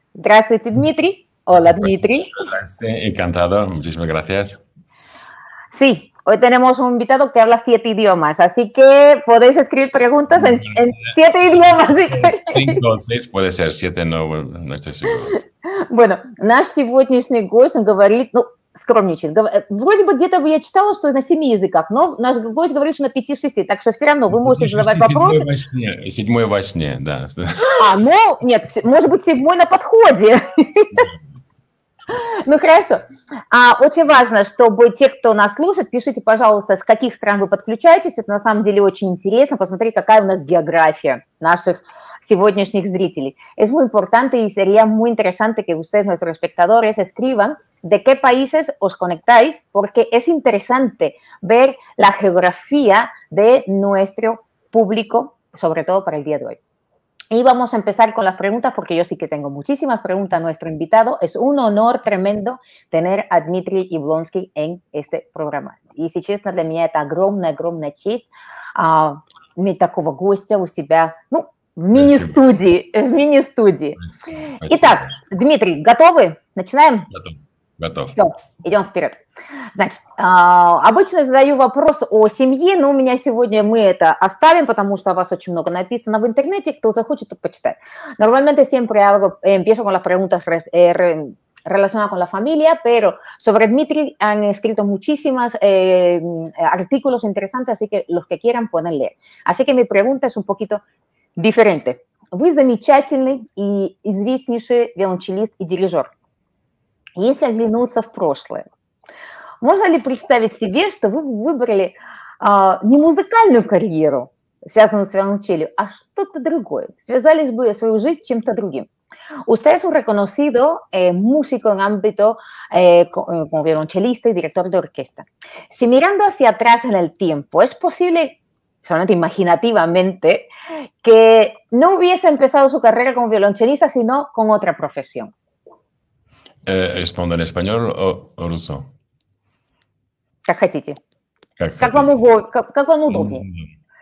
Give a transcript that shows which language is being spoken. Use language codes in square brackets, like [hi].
[ru] Здравствуйте, Дмитрий. [es] Hola, [ru] Дмитрий. [es] Sí, encantado. Muchísimas gracias. Sí, hoy tenemos un invitado que habla 7 idiomas, así que podéis escribir preguntas en 7 idiomas. Sí, 5 o 6, puede ser 7, no estoy seguro. Bueno, [ru] наш сегодняшний гость, он говорит, ну, скромничает. Вроде бы где-то я читала, что на 7 языках, но наш гость говорит, что на 5-6, так что все равно вы можете задавать вопросы. Седьмой во сне, да. А, ну, нет, может быть, 7-й на подходе. Ну, хорошо. Очень важно, чтобы те, кто нас слушает, пишите, пожалуйста, с каких стран вы подключаетесь. Это на самом деле очень интересно. Посмотри, какая у нас география наших сегодняшних зрителей. [es] Es muy importante y sería muy interesante que ustedes, nuestros espectadores, escriban de qué países os conectáis, porque es interesante ver la geografía de nuestro público, sobre todo para el día de hoy. Y vamos a empezar con las preguntas, porque yo sí que tengo muchísimas preguntas a nuestro invitado. Es un honor tremendo tener a Дмитрий Яблонский en este programa. Y si [ru] честно, для меня это огромная честь иметь такого гостя у себя, ну, в мини-студии, спасибо. В мини-студии. Спасибо. Итак, Дмитрий, готовы? Начинаем? Готов. Все, идем вперед. Значит, обычно задаю вопрос о семье, но у меня сегодня мы это оставим, потому что у вас очень много написано в интернете, кто захочет, тот почитает. [es] Normalmente siempre hablo, empiezo con las preguntas relacionadas con la familia, pero sobre Дмитрий han escrito muchísimos artículos interesantes, así que los que quieran pueden leer. Así que mi pregunta es un poquito Диференте. [ru] Вы замечательный и известнейший виолончелист и дирижер. Если оглянуться в прошлое, можно ли представить себе, что вы выбрали не музыкальную карьеру, связанную с виолончелью, а что-то другое? Связались бы свою жизнь чем-то другим? [es] Usted es un reconocido músico en ámbito como виолончелиста и director de orquesta. Si mirando hacia atrás en el tiempo, ¿es posible solamente imaginativamente, que no hubiese empezado su carrera como violonchelista, sino con otra profesión? ¿Respondo en español o ruso? [ru] Как хотите. Как вам удобнее.